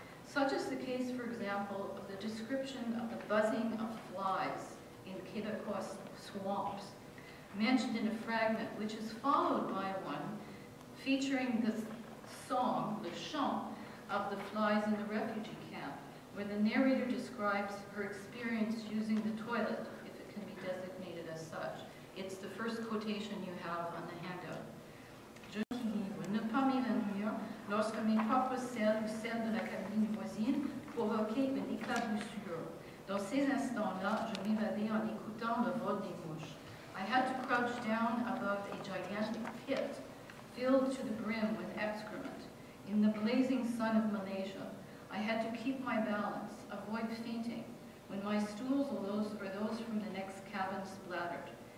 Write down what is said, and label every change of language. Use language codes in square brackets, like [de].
[en] Such is the case, for example, of the description of the buzzing of flies in Quebecois swamps, mentioned in a fragment which is followed by one featuring the song, the chant, of the flies in the refugee camp, where narrator describes her experience using the toilet, if it can be designated as such. It's the first quotation you have on the handout. [fr] Je suis libre, ne pas m'évanouir, lorsque mes propres selles ou celles de la cabine voisine provoquaient une éclaboussure. Dans ces instants-là, je m'évadais en écoutant le vol des mouches. [en] I had to crouch down above a gigantic pit filled to the brim with excrement. In the blazing sun of Malaysia, I had to keep my balance, avoid fainting, when my stools or those from the next cabin splattered.